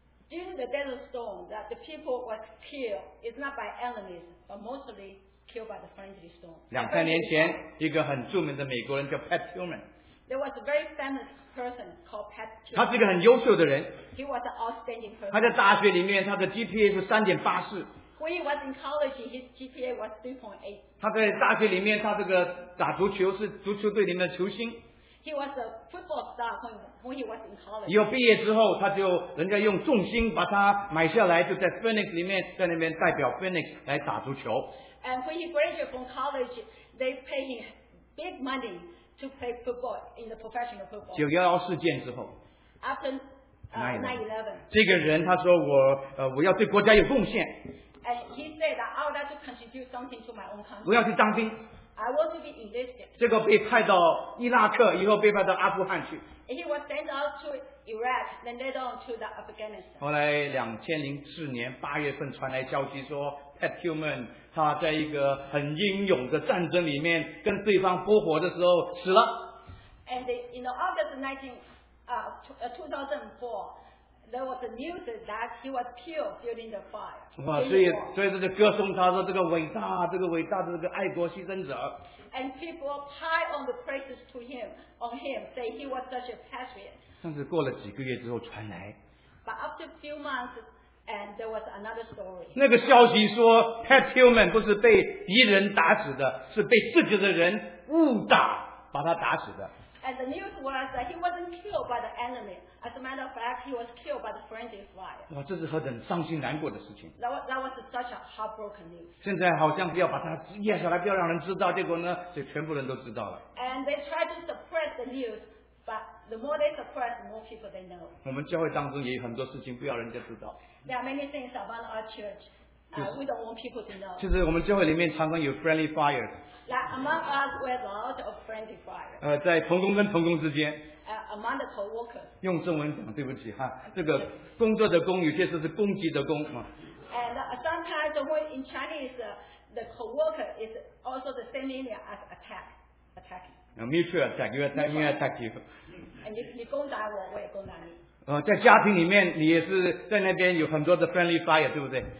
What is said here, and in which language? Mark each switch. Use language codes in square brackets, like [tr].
[en] During the Desert Storm, that the people was killed is not by enemies, but mostly killed by the friendly storm. [zh] 2000年前，一个很著名的美国人叫 Pat Tillman。 [en] There was a very famous person called Pat Tillman. [zh] 他是一个很优秀的人。 [en] He was an outstanding person. [zh] 他在大学里面，他的 GPA 是 3.84。 [en] When he was in college, his GPA was 3.8. [zh] 他在大学里面，他这个打足球是足球队里面的球星。 [en] He was a football star when he was in college. [zh] 以后毕业之后，他就人家用重星把他买下来，就在 Phoenix 里面，在那边代表 Phoenix 来打足球。 [en] And when he graduated from college, they paid him big money. To play football in the professional football. [zh] 911事件之后 [en] ，After 9/11， [zh] 这个人他说我要对国家有贡献。 [en] And he said that I would like to contribute something to my own country. [zh] 我要去当兵。 [en] I want to be enlisted. [zh] 结果被派到伊拉克，以后被派到阿富汗去。 [en] He was sent out to Iraq, then later on to the Afghanistan. [zh] 后来2004年八月份传来消息说 ，Pat Tillman。他在一个很英勇的战争里面跟对方搏火的时候死了。 [en] And in August 2004, there was a news that he was killed during the fire. [zh] 哇，所以这就歌颂他说这个伟大，这个伟大的这个爱国牺牲者。 [en] And people pile on the praises to him, on him, say he was such a patriot. [zh] 但是过了几个月之后传来。 [en] But after a few months. And there was another story. [zh] 那个消息说 ，Pat Tillman 不是被敌人打死的，是被自己的人误打把他打死的。 [en] And the news was that he wasn't killed by the enemy. As a matter of fact, he was killed by the friendly fire. [zh] 哇，这是很伤心难过的事情。 [en] That was such a heartbroken news. [zh] 现在好像不要把它压下来，不要让人知道，结果呢，就全部人都知道了。 [en] And they tried to suppress the news, but the more they suppress, the more people they know. [zh] 我们教会当中也有很多事情不要人家知道。 [en] There are many things about our church, we don't want people to know. [zh] 就是我们教会里面常常有 [en] friendly fire. Like among us, we have a lot of friendly fire. [zh] 在同工跟同工之间。 [en] Among the co-workers. [zh] 用中文讲，对不起哈，这个工作的工，有些时候是攻击的攻啊。 [en] And sometimes the word in Chinese, the co-worker is also the same meaning as attacking. A mutual attack, you attack me, I attack you. And if [zh] 你攻打我，我也攻打你。在家庭里面，你也是在那边有很多的 [en] friendly fire， [zh] 对不对？